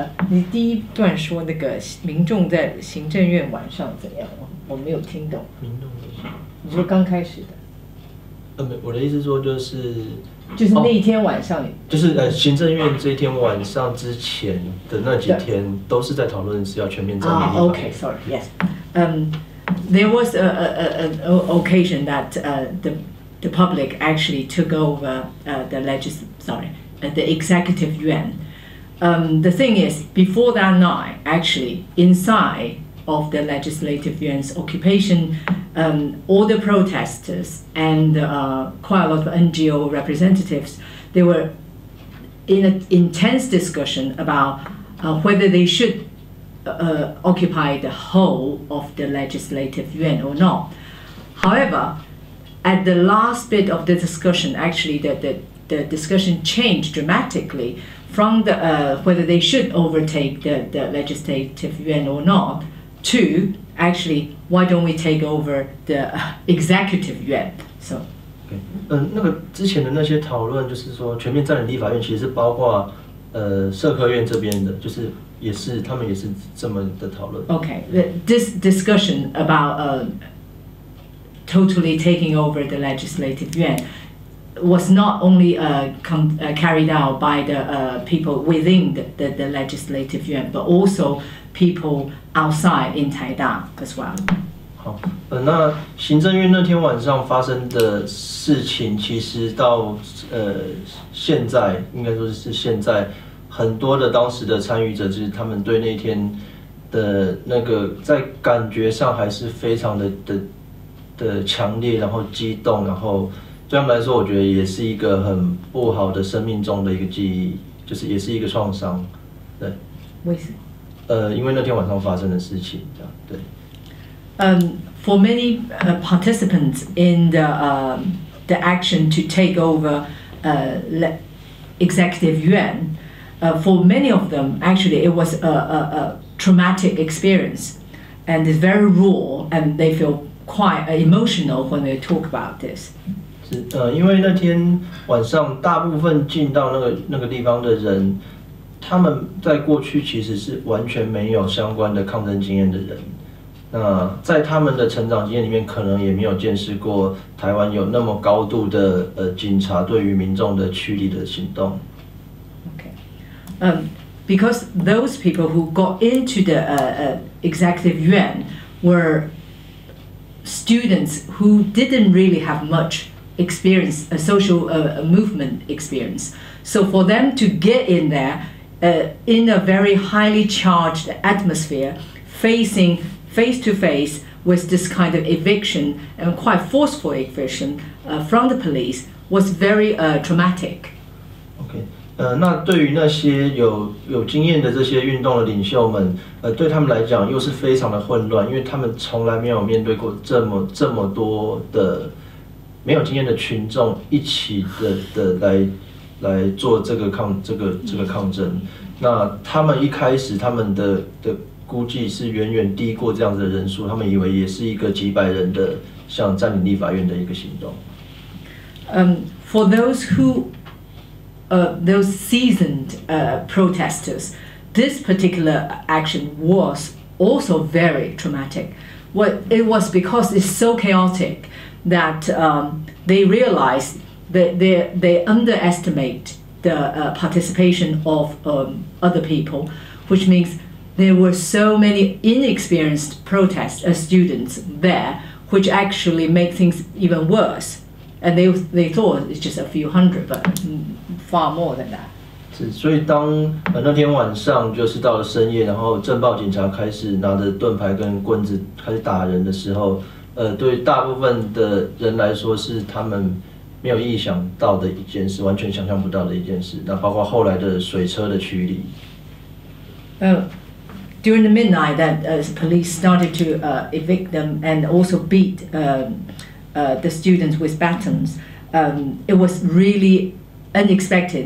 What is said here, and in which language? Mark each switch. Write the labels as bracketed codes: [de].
[zh] 你第一段说那个民众在行政院晚上怎样？我没有听懂。民众的行。你说刚开始的。我的意思说就是那一天晚上，就是行政院这一天晚上之前的那几天都是在讨论是要全面占领立法院。 [en] Okay, sorry, yes. There was a occasion that the public actually took over the executive yuan. The thing is, before that night, actually inside of the legislative yuan's occupation. All the protesters and quite a lot of NGO representatives, they were in an intense discussion about whether they should occupy the whole of the legislative yuan or not. However, at the last bit of the discussion, actually the discussion changed dramatically from the whether they should overtake the legislative yuan or not to. Actually, why don't we take over the executive yuan? So, okay. [zh] 那个之前的那些讨论，就是说全面占领立法院，其实是包括社科院这边的，就是也是他们也是这么的讨论。 [en] Okay, this discussion about totally taking over the legislative yuan was not only carried out by the people within the legislative yuan, but also. People outside in Taida as well. [zh] 好，那行政院那天晚上发生的事情，其实到现在，应该说是现在，很多的当时的参与者，就是他们对那天的那个，在感觉上还是非常的的强烈，然后激动，然后对他们来说，我觉得也是一个很不好的生命中的一个记忆，就是也是一个创伤。对，为什么？因为那天晚上发生的事情，这样对。 [en] For many participants in the action to take over executive yuan, for many of them, actually, it was a traumatic experience, and it's very raw, and they feel quite emotional when they talk about this. [zh] 因为那天晚上大部分进到那个地方的人，他们在过去其实是完全没有相关的抗争经验的人。那在他们的成长经验里面，可能也没有见识过台湾有那么高度的警察对于民众的驱离的行动。 [en] Okay, because those people who got into the executive yuan were students who didn't really have much experience, a social movement experience. So for them to get in there, in a very highly charged atmosphere, face to face with this kind of eviction and quite forceful eviction from the police was very traumatic. Okay. [zh] 那对于那些有经验的这些运动的领袖们，对他们来讲又是非常的混乱，因为他们从来没有面对过这么多的没有经验的群众一起的来做这个抗争。那他们一开始他们的估计是远远低过这样子的人数，他们以为也是一个几百人的像占领立法院的一个行动。 [en] For those who those seasoned protesters, this particular action was also very traumatic. What it was because it's so chaotic that they realize that they underestimate the participation of other people, which means there were so many inexperienced protest students there, which actually make things even worse. And they thought it's just a few hundred, but far more than that. [zh] 是，所以当那天晚上就是到了深夜，然后政报警察开始拿着盾牌跟棍子开始打人的时候，对大部分的人来说是他们没有意想到的一件事，完全想象不到的一件事。那包括后来的水车的驱离。 [en] During the midnight, that police started to evict them and also beat. The students with batons. It was really unexpected.